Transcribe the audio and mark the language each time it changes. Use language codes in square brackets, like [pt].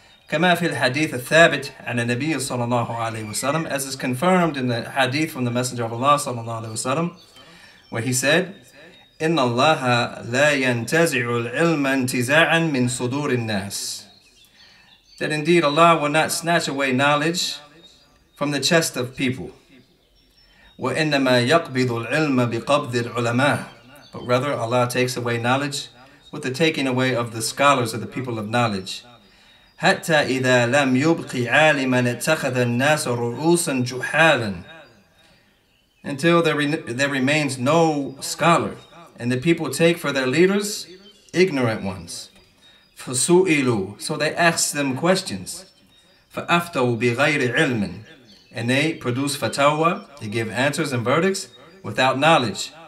[ar] كما في الحديث الثابت عن النبي صلى الله عليه وسلم, [en] as is confirmed in the hadith from the Messenger of Allah [ar] صلى الله عليه وسلم, [en] where he said, [ar] إن الله لا ينتزع العلم انتزاعا من صدور الناس. [en] That indeed Allah will not snatch away knowledge from the chest of people. [ar] وإنما يقبض العلم بقبض العلماء. [en] But rather Allah takes away knowledge with the taking away of the scholars, of the people of knowledge. [ar] حتى إذا لم يبقي عالما اتخذ الناس رؤوسا جحالا. [en] Until there remains no scholar, and the people take for their leaders ignorant ones. [ar] فسئلوا, [en] so they ask them questions. [ar] فأفتوا بغير علم, [en] and they produce fatawa, they give answers and verdicts without knowledge.